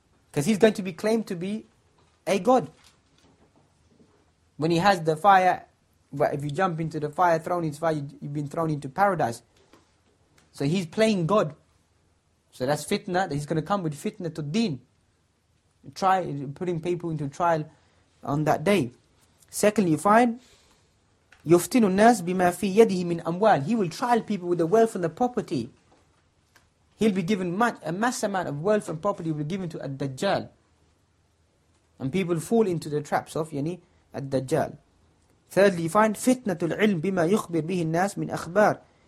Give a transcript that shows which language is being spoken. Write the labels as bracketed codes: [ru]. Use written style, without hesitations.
[en] Because he's going to be claimed to be a god. When he has the fire, But if you jump into the fire, thrown into fire, you've been thrown into paradise. So he's playing God. So that's fitna. He's going to come with fitna to deen. Try putting people into trial on that day. Secondly, you find, [ar] يُفْتِنُ النَّاسِ بِمَا فِي يَدِهِ مِنْ أَمْوَالِ. [en] He will trial people with the wealth and the property. He'll be given much, a mass amount of wealth and property will be given to Ad-Dajjal. And people fall into the traps of yani Ad-Dajjal. Thirdly, you find [ar] fitna tul ilm bima yukhbir bihi an-nas min akhbar.